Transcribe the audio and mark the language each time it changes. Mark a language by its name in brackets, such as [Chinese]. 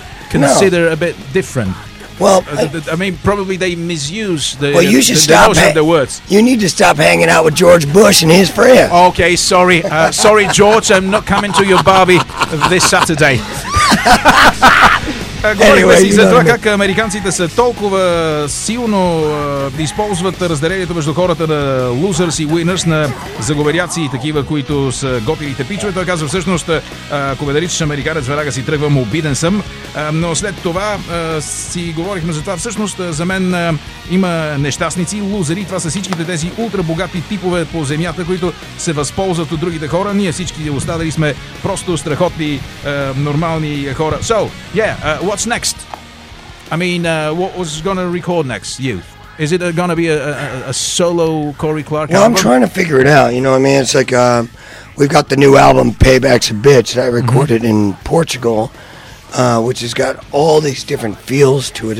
[English] consider a bit different. Well, I mean, probably they misuse the notion of the words. You need to stop hanging out with George Bush and his friends. Okay, sorry. Sorry, George, I'm not coming to your barbie this Saturday. [Bulgarian] Говорихме си за това как американците са толкова силно използват разделението между хората на losers и winners, на заговеряци и такива, които са готините пичове. Той казва всъщност, ако ме наричаш американец, веднага си тръгвам, обиден съм. Но след това си говорихме за това. Всъщност за мен има нещастници, лузери. Това са всичките тези ултрабогати типове по земята, които се възползват от другите хора. Ние всички останали сме просто страхотни, нормални хора. [English] So, yeah, what's next? I mean, what was going to record next, you? Is it going to be a solo Corey Clark album? Well, I'm trying to figure it out. You know what I mean? It's like we've got the new album, Payback's a Bitch, that I recorded in Portugal, which has got all these different feels to it.